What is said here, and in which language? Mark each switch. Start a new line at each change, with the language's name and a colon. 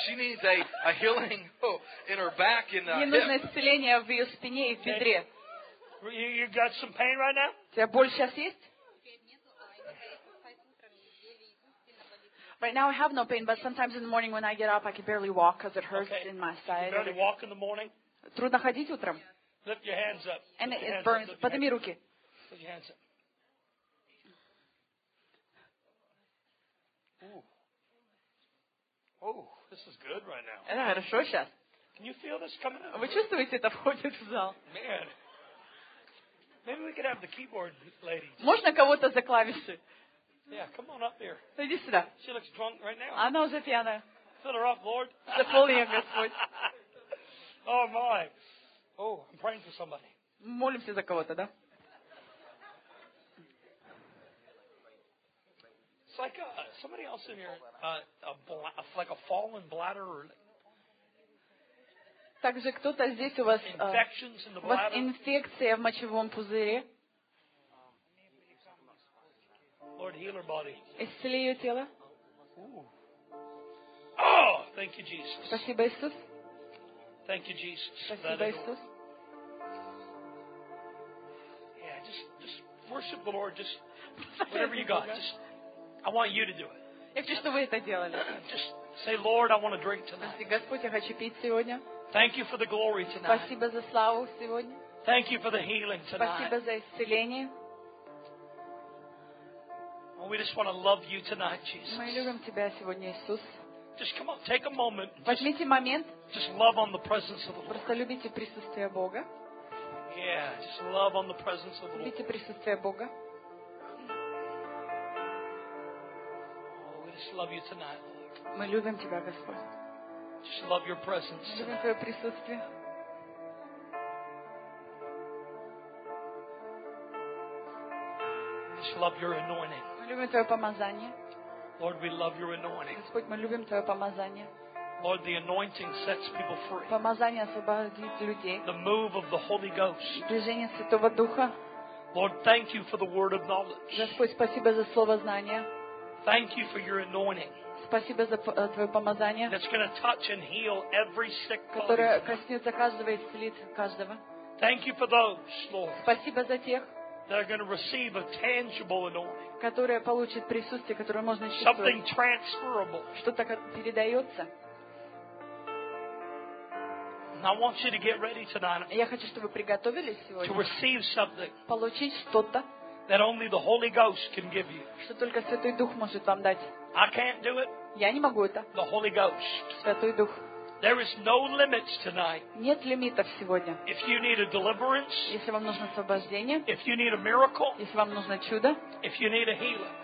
English: She needs a healing in her back and hip.
Russian: Ей нужно исцеление в ее спине и в бедре.
English: You got some pain right now?
Russian: У тебя боль сейчас есть?
English: Right now I have no pain, but sometimes in the morning when I get up, I can barely walk because it hurts in my side. Can you walk in the morning?
Russian: Трудно ходить утром.
English: Lift your hands up. And it burns.
Russian: Подними руки.
English: Lift your hands up. This is good right now.
Russian: Это хорошо сейчас.
English: Can you feel this coming out?
Russian: Вы чувствуете, это входит в зал?
English: Man. Maybe we could have the keyboard lady.
Russian: Можно кого-то за клавиши?
English: Yeah, come on up here.
Russian: Иди сюда.
English: She looks drunk right now.
Russian: Она уже пьяная.
English: Fill her up, Lord.
Russian: Заполни ее, Господь.
English: Oh my. Oh, I'm praying for somebody.
Russian: Молимся за кого-то, да?
English: It's like somebody else in here, like a fallen bladder. Or...
Russian: Также кто-то здесь у вас,
English: infections in the bladder.
Russian: У вас инфекция в мочевом пузыре.
English: Lord, heal her body.
Russian: Исцели ее тело.
English: Ooh. Oh, thank you, Jesus.
Russian: Спасибо, Иисус.
English: Thank you, Jesus.
Russian: Спасибо, Иисус.
English: Yeah, just worship the Lord, just whatever you got, just. I want you to do it.
Russian: Я хочу, чтобы вы это делали.
English: Just say, Lord, I want to drink tonight.
Russian: Господь, я хочу пить сегодня.
English: Thank you for the glory tonight.
Russian: Спасибо за славу сегодня.
English: Thank you for the healing tonight.
Russian: Спасибо за исцеление.
English: We just want to love you tonight, Jesus.
Russian: Мы любим тебя сегодня, Иисус.
English: Just come on, take a moment.
Russian: Возьмите момент.
English: Just love on the presence of the Lord.
Russian: Просто любите присутствие Бога.
English: Yeah, just love on the presence of the Lord.
Russian: Любите присутствие Бога.
English: Love you tonight, Lord.
Russian: Мы любим тебя, Господь.
English: Just love your presence.
Russian: Любим твое присутствие.
English: Just love your anointing.
Russian: Мы любим твое помазание.
English: Lord, we love your anointing.
Russian: Господь, мы любим твое помазание.
English: Lord, the anointing sets people free.
Russian: Помазание освобождает людей.
English: The move of the Holy Ghost.
Russian: Движение Святого Духа.
English: Lord, thank you for the word of knowledge.
Russian: Господь, спасибо за слово знания.
English: Thank you for your anointing.
Russian: Спасибо за твое помазание.
English: That's going to touch and heal every sick body.
Russian: Которое коснется каждого и исцелит каждого.
English: Thank you for those, Lord.
Russian: Спасибо за тех.
English: That are going to receive a tangible anointing.
Russian: Которые получат присутствие, которое можно чувствовать.
English: Something transferable.
Russian: Что-то передается.
English: I want you to get ready tonight.
Russian: Я хочу, чтобы вы приготовились сегодня.
English: To receive something.
Russian: Получить что-то.
English: That only the Holy Ghost can give you.
Russian: Что только Святой Дух может вам дать.
English: I can't do it.
Russian: Я не могу это.
English: The Holy Ghost.
Russian: Святой Дух.
English: There is no limits tonight.
Russian: Нет лимитов сегодня.
English: If you need a deliverance.
Russian: Если вам нужно освобождение.
English: If you need a miracle.
Russian: Если вам нужно чудо.
English: If you need a healing.